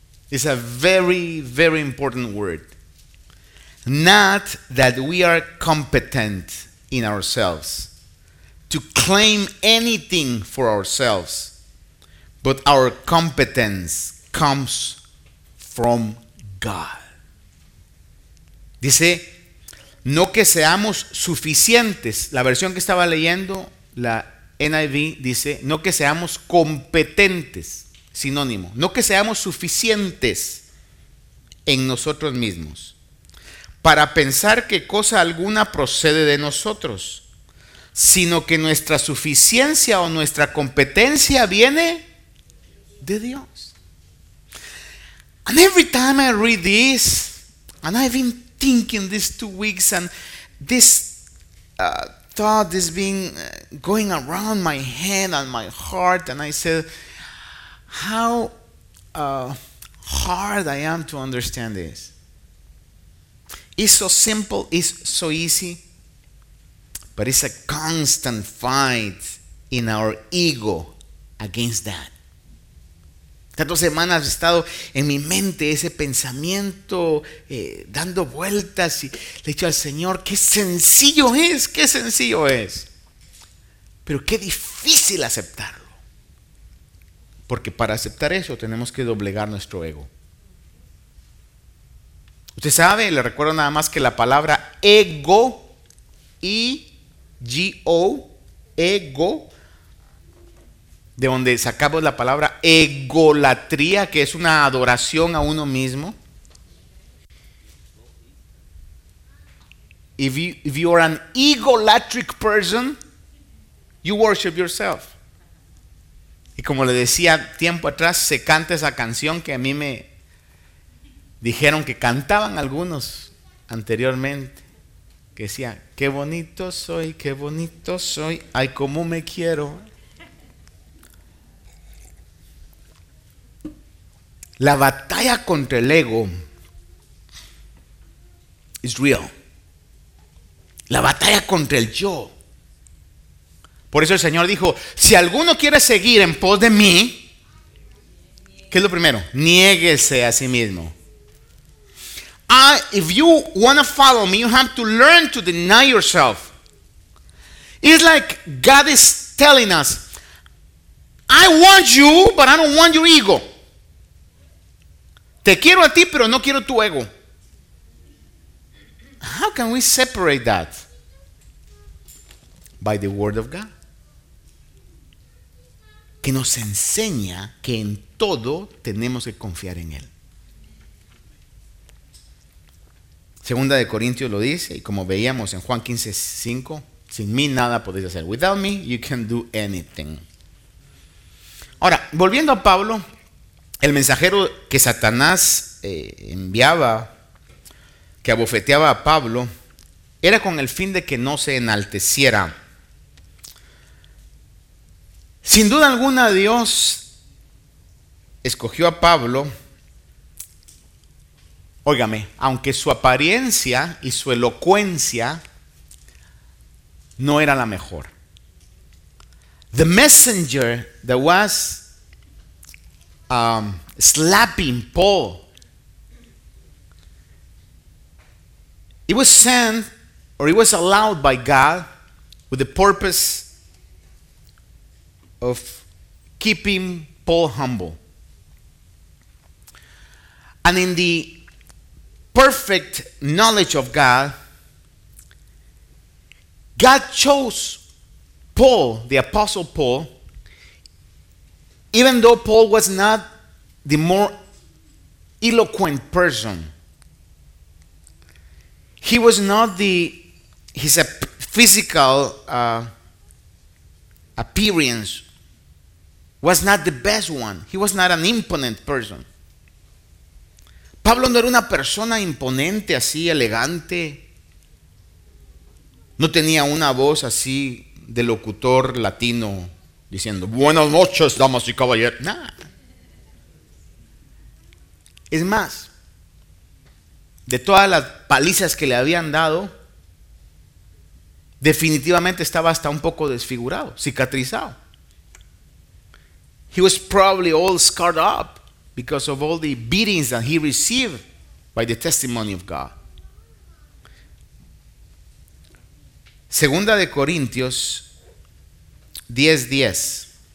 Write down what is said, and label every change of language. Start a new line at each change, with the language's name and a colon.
English: It's a very, very important word. Not that we are competent in ourselves to claim anything for ourselves, but our competence comes from God.
Spanish: Dice, no que seamos suficientes. La versión que estaba leyendo, la NIV, dice, no que seamos competentes. Sinónimo, no que seamos suficientes en nosotros mismos para pensar que cosa alguna procede de nosotros, sino que nuestra suficiencia o nuestra competencia viene de Dios.
English: And every time I read this, and I've been thinking these 2 weeks, and this thought is being going around my head and my heart, and I said, how hard I am to understand this. It's so simple, it's so easy, but it's a constant fight in our ego against that.
Spanish: Tantas semanas ha estado en mi mente ese pensamiento dando vueltas, y le he dicho al Señor, qué sencillo es, pero qué difícil aceptarlo. Porque para aceptar eso tenemos que doblegar nuestro ego. Usted sabe, le recuerdo nada más que la palabra ego, E-G-O, ego, de donde sacamos la palabra egolatría, que es una adoración a uno mismo.
English: If you are an egolatric person, you worship yourself.
Spanish: Y como le decía tiempo atrás, se canta esa canción que a mí me dijeron que cantaban algunos anteriormente, que decía, qué bonito soy, ay, cómo me quiero. La batalla contra el ego es real. La batalla contra el yo. Por eso el Señor dijo, si alguno quiere seguir en pos de mí, ¿qué es lo primero? Niéguese a sí mismo.
English: If you want to follow me, you have to learn to deny yourself. It's like God is telling us, I want you, but I don't want your ego.
Spanish: Te quiero a ti, pero no quiero tu ego.
English: How can we separate that? By the word of God.
Spanish: que nos enseña que en todo tenemos que confiar en Él. Segunda de Corintios lo dice, y como veíamos en Juan 15:5, sin mí nada podéis hacer.
English: Without me, you can do anything.
Spanish: Ahora, volviendo a Pablo, el mensajero que Satanás enviaba, que abofeteaba a Pablo, era con el fin de que no se enalteciera. Sin duda alguna, Dios escogió a Pablo. Óigame, aunque su apariencia y su elocuencia no era la mejor.
English: The messenger that was slapping Paul, it was sent, or it was allowed by God, with the purpose of keeping Paul humble. And in the perfect knowledge of God, God chose Paul, the apostle Paul, even though Paul was not the more eloquent person. He was not his physical appearance was not the best one. He was not an imponent person.
Spanish: Pablo no era una persona imponente, así, elegante. No tenía una voz así de locutor latino diciendo, buenas noches, damas y caballeros. Nada. Es más, de todas las palizas que le habían dado, definitivamente estaba hasta un poco desfigurado, cicatrizado.
English: He was probably all scarred up because of all the beatings that he received by the testimony of God.
Spanish: Segunda de Corintios 10:10.